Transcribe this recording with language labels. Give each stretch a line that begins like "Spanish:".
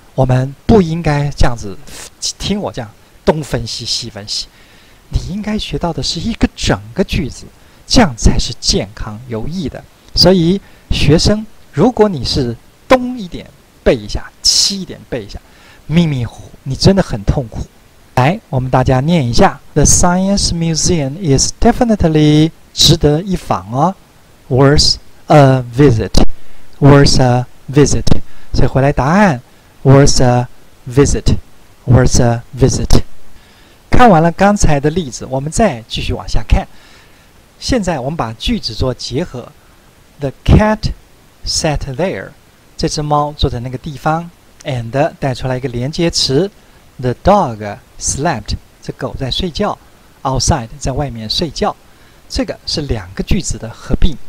Chinese: 我们不应该这样子听我这样东分析西分析，你应该学到的是一个整个句子，这样才是健康有益的。所以学生，如果你是东一点背一下，西一点背一下，迷迷糊你真的很痛苦。来，我们大家念一下
English: The Science Museum is definitely
Chinese: 值得一访哦，
English: worth a visit， worth a visit，
Chinese: 所以回来答案 worth a visit， worth a visit。看完了刚才的例子，我们再继续往下看。现在我们把句子做结合，
English: The cat sat there，
Chinese: 这只猫坐在那个地方， and 带出来一个连接词，
English: The dog slept，
Chinese: 这狗在睡觉，
English: outside
Chinese: 在外面睡觉，这个是两个句子的合并。